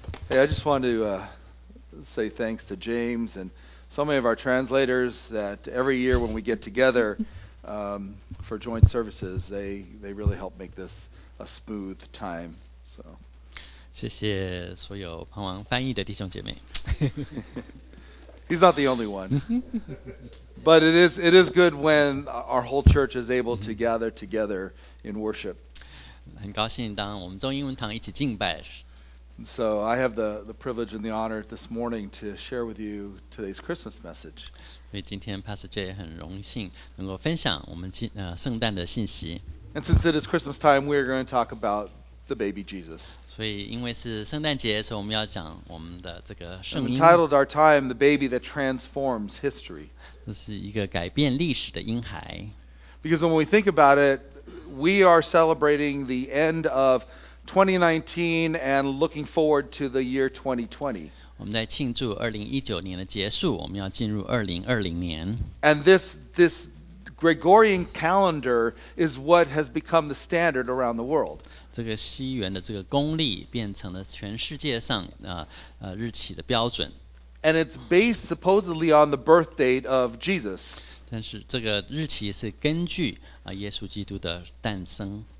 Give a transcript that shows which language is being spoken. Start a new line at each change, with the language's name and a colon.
English: Hey, I just wanted to say thanks to James and... So many of our translators that every year when we get together for joint services, they really help make this a smooth time. So,
Chinese: 谢谢所有帮忙翻译的弟兄姐妹。
English: He's not the only one. But it is good when our whole church is able to gather together in worship.
Chinese: 很高兴当我们中英文堂一起敬拜。
English: And so I have the privilege and the honor this morning to share with you today's Christmas message.
Chinese: 所以今天 Pastor J 很荣幸能够分享我们圣诞的信息。
English: And since it is Christmas time, we are going to talk about the baby Jesus.
Chinese: 所以因为是圣诞节，所以我们要讲我们的这个圣婴。
English: We titled our time "The Baby That Transforms History."
Chinese: 这是一个改变历史的婴孩。
English: Because when we think about it, we are celebrating the end of. 2019 and looking forward to the year 2020.
Chinese: 我们在庆祝2019年的结束，我们要进入2020年。
English: And this Gregorian calendar is what has become the standard around the world.
Chinese: 这个西元的这个公历变成了全世界上日期的标准。
English: And it's based supposedly on the birth date of Jesus.
Chinese: 但是这个日期是根据耶稣基督的诞生。